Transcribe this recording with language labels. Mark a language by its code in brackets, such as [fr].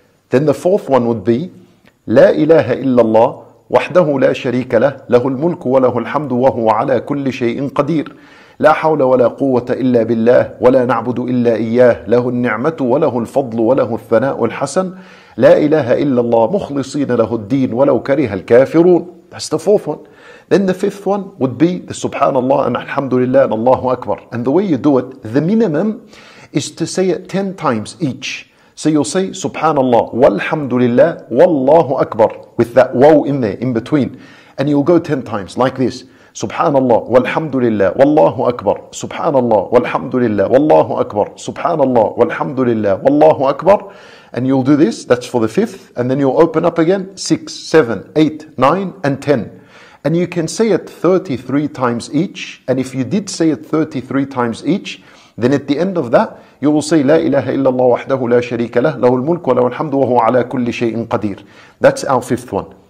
[en] Then the fourth one would be [ar] لا إله إلا الله وحده لا شريك له له الملك وله الحمد وهو على كل شيء قدير لا حول ولا قوة إلا بالله ولا نعبد إلا إياه له النعمة وله الفضل وله الثناء الحسن لا إله إلا الله مخلصين له الدين ولو كره الكافرون. [en] That's the fourth one. Then the fifth one would be the Subhanallah and Alhamdulillah and Allahu Akbar. And the way you do it, the minimum is to say it 10 times each. So you'll say Subhanallah walhamdulillah wallahu akbar with that waw in there in between. And you'll go 10 times like this. [ar] سبحان الله والحمد لله والله أكبر سبحان الله والحمد لله والله أكبر سبحان الله والحمد لله والله أكبر. [en] And you'll do this, that's for the fifth, and then you'll open up again, 6, 7, 8, 9, and 10. And you can say it 33 times each, and if you did say it 33 times each, then at the end of that, you will say, [ar] لا إله إلا الله وحده لا شريك له له الملك وله الحمد وهو على كل شيء قدير. [en] That's our fifth one.